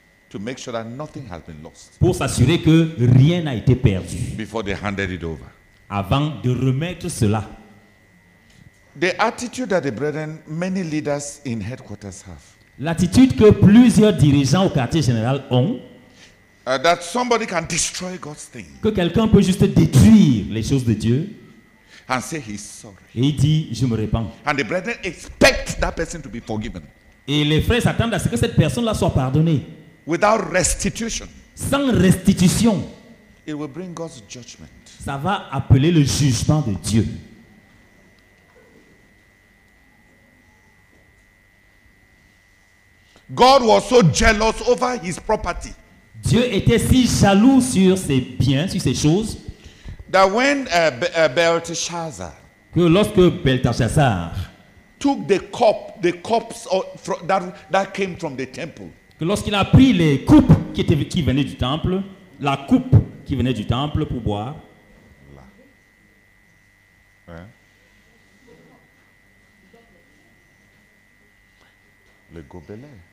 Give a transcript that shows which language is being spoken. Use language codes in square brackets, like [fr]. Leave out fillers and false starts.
[en] to make sure that nothing has been lost, [fr] pour s'assurer que rien n'a été perdu, [en] before they handed it over, [fr] avant de remettre cela. [en] The attitude that the brethren, many leaders in headquarters have. [fr] L'attitude que plusieurs dirigeants au quartier général ont. [en] That somebody can destroy God's thing. [fr] Que quelqu'un peut juste détruire les choses de Dieu. [en] And say he's sorry. [fr] Et il dit, je me répands. [en] And the brethren expect that person to be forgiven. [fr] Et les frères s'attendent à ce que cette personne-là soit pardonnée. [en] Without restitution. [fr] Sans restitution. [en] It will bring God's judgment. [fr] Ça va appeler le jugement de Dieu. [en] God was so jealous over his property. [fr] Dieu était si jaloux sur ses biens, sur ses choses. [en] That when Belteshazzar, [fr] que lorsque Belteshazzar [en] took the cups that came from the temple. [fr] Que lorsqu'il a pris les coupes qui venaient du temple, la coupe qui venait du temple pour boire. Le gobelet.